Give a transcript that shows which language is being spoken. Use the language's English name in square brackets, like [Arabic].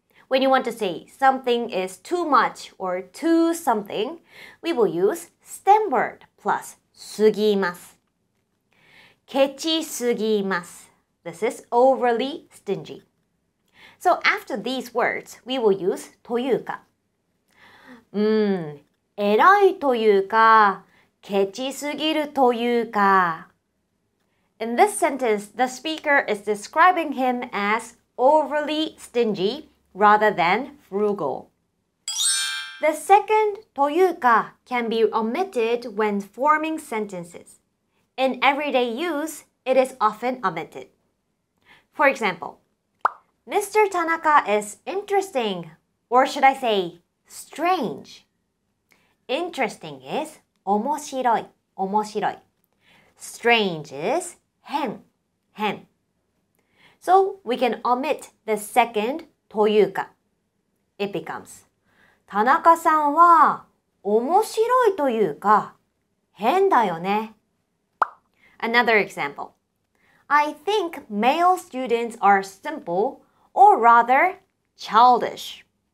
[English] When you want to say something is too much or too something, we will use stem word plus [Japanese] すぎますケチすぎます [English] This is overly stingy. So after these words, we will use [Japanese] というか。偉いというか、ケチすぎるというか。 [English] In this sentence, the speaker is describing him as overly stingy rather than frugal. The second [Japanese] というか [English] can be omitted when forming sentences. In everyday use, it is often omitted. For example, Mr. Tanaka is interesting, or should I say, strange. Interesting is [Japanese] 面白い面白い [English] Strange is [Japanese] 変変 [English] So we can omit the second [Japanese] というか [English] It becomes [Japanese] 田中さんは面白いというか変だよね [English] Another example. I think male students are simple, or rather, childish.